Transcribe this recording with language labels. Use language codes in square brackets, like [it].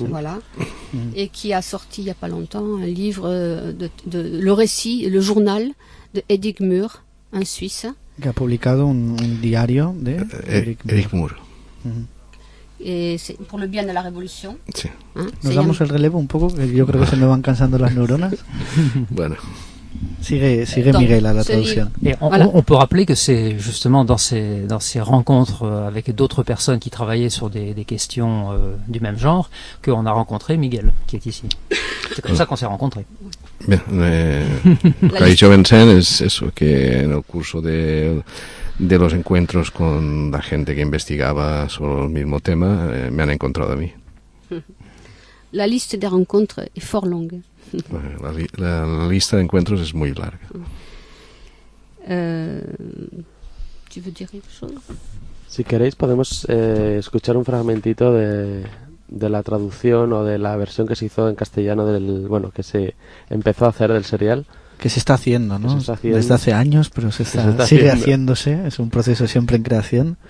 [fr] Voilà. Et qui a sorti il n'y a pas longtemps un livre de le récit, le journal de Edith Mur, un Suisse. Qui a publié un diario de Edith Mur. Et pour le bien de la révolution. [es] Sí. Hein? Nos damos el relevo un poco, que yo creo que se me van cansando las neuronas. Bueno. [fr] Sigue donc, Miguel à la traduction. Et on peut rappeler que c'est justement dans ces rencontres avec d'autres personnes qui travaillaient sur des questions du même genre qu'on a rencontré Miguel qui est ici. C'est comme ça qu'on s'est rencontrés. [es] Bien, lo que ha dicho Vincent es eso, que en el curso de los encuentros con la gente que investigaba sobre el mismo tema, me han encontrado a mí. [fr] La liste de rencontres est fort longue. [es] La lista de encuentros es muy larga. [fr] ¿Tú veux dire quelque chose? [es] Si queréis, podemos escuchar un fragmentito de la traducción o de la versión que se hizo en castellano del, bueno, que se empezó a hacer del serial. Que se está haciendo, ¿no? Desde hace años, pero sigue haciéndose. Es un proceso siempre en creación.